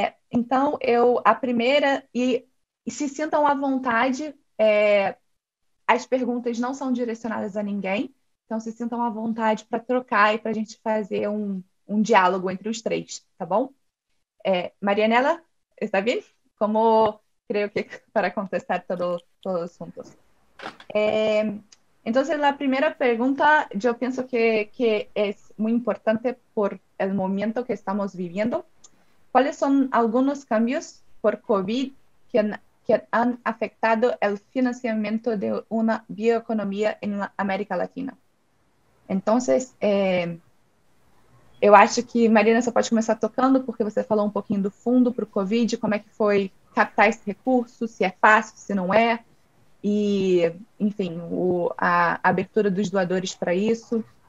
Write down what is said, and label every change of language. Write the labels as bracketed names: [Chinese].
[Portuguese] Então, e se sintam à vontade, as perguntas não são direcionadas a ninguém, então se sintam à vontade para trocar e para a gente fazer um diálogo entre os três, tá bom? Marianela, está bem? Como creio que para contestar todos os assuntos. [Spanish] Entonces, la primera pregunta, yo pienso que es muy importante por el momento que estamos viviendo. ¿Cuáles son algunos cambios por COVID que han afectado el financiamiento de una bioeconomía en América Latina? [Portuguese] Entonces, yo acho que Marina, você pode começar tocando, porque você falou [Spanish] un poquito [Portuguese] do fundo para o COVID, como é que foi captar esse recurso, se é fácil, se não é. E, enfim, a abertura dos doadores para isso.